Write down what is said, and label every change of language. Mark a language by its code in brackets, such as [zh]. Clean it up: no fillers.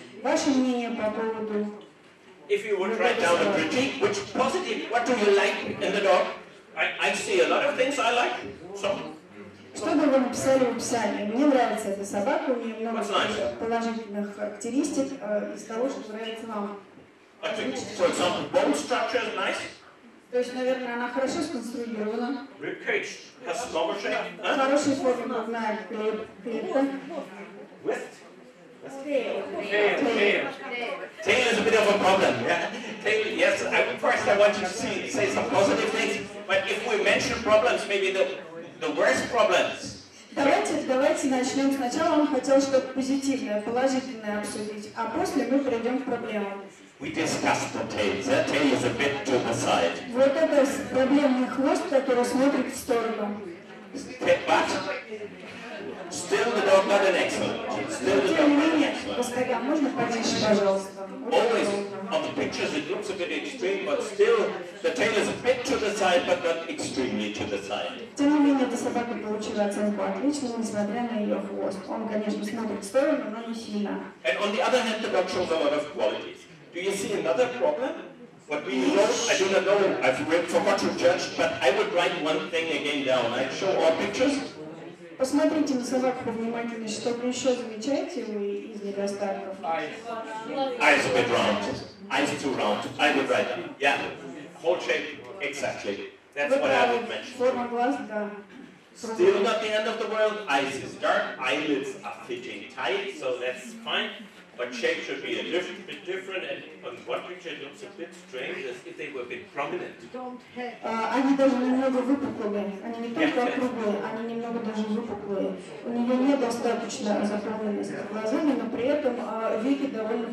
[ru] Ваше мнение по поводу... [en] If you would write down a critique, which positive, what do you like in the dog? I see a lot of things I like, so... [ru] Что бы вы написали в описании? Мне нравится эта собака, у нее много положительных характеристик из того, что нравится вам. [en] I think, for example, bone structure is nice. [ru] То есть, наверное, она хорошо сконструирована. [en] Ribcage has long shape. [ru] Хорошая форма грудная клетка. [en] West? Tail. Tail is a bit of a problem, yeah? Tail, yes, first I want you to say some positive things, but if we mention problems, maybe the worst problems. [ru] Давайте начнем. Сначала он хотел что-то позитивное, положительное обсудить, а после мы перейдем к проблемам. [en] We discussed the tail. The tail is a bit to the side. [ru] Вот это проблемный хвост, который смотрит в сторону. But still the dog got an excellent. Still the dog got an excellent. Always on the pictures it looks a bit extreme, but still the tail is a bit to the side, but not extremely to the side. Тем не менее, эта собака получила оценку отличную, несмотря на ее хвост. Он, конечно, смотрит в сторону, но не сильно. [en] And on the other hand, the dog shows a lot of qualities. Do you see another problem? What do you know? I do not know. I forgot to judge, but I would write one thing again down. I show all pictures. [ru] Посмотрите на собаку повнимательнее, что вы еще замечаете из недостатков. [en] Eyes a bit round. Eyes too round. I would write down. Yeah. Whole shape, exactly. That's what I would mention. [ru] Форма глаз, да. [en] Still not the end of the world. Eyes is dark. Eyelids are fitting tight, so that's fine. But shape should be a little bit different, and on one picture it looks a bit strange, as if they were a bit prominent. [ru] Они даже немного выпуклые. Они не только округлые, они немного даже выпуклые. У нее нет достаточно заправленности глазами, но при этом веки довольно